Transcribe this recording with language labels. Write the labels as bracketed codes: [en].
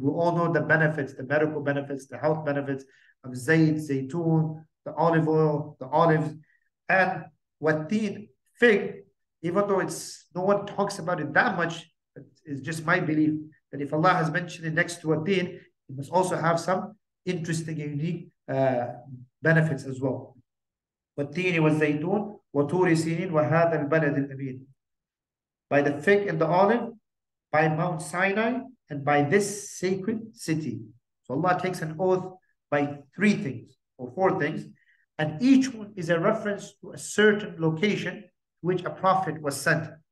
[en] We all know the benefits, the medical benefits, the health benefits of zaytun, the olive oil, the olives, and watin, fig. Even though no one talks about it that much, it's just my belief that if Allah has mentioned it next to watin, it must also have some interesting and unique benefits as well. [ar] والتين والزيتون وطور سينين وهذا البلد الأمين. [en] By the fig and the olive, by Mount Sinai, and by this sacred city. So Allah takes an oath by three things or four things, and each one is a reference to a certain location which a prophet was sent.